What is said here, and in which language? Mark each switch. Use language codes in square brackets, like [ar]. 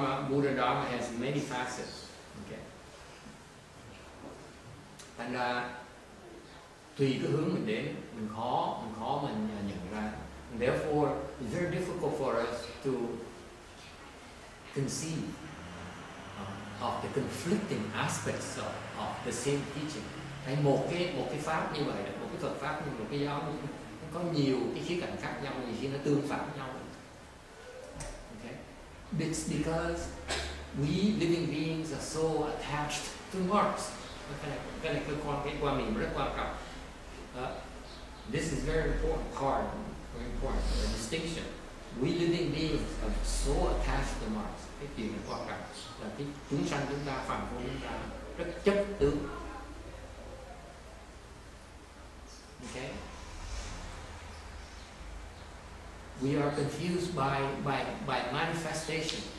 [en] Buddha Dharma has many facets. Okay. [vi] Thành ra tùy cái hướng mình đến, mình khó mình nhận ra. [en] And therefore, it's very difficult for us to conceive of the conflicting aspects of the same teaching. [vi] Đấy, một cái pháp như vậy, một cái Phật pháp, một cái giáo như vậy, có nhiều cái khía cạnh khác nhau, nhiều khi nó tương phản nhau. Okay. [en] It's because we living beings are so attached to marks. [vi] Cái này cơ quan kết quả mình rất quan trọng. [en] This is very important part, very important, the distinction. we living beings are so attached to mind, [vi] cái chuyện này quan trọng là cái chúng sanh chúng ta, phàm phu chúng ta rất chấp tướng. Okay. [en] We are confused by manifestation.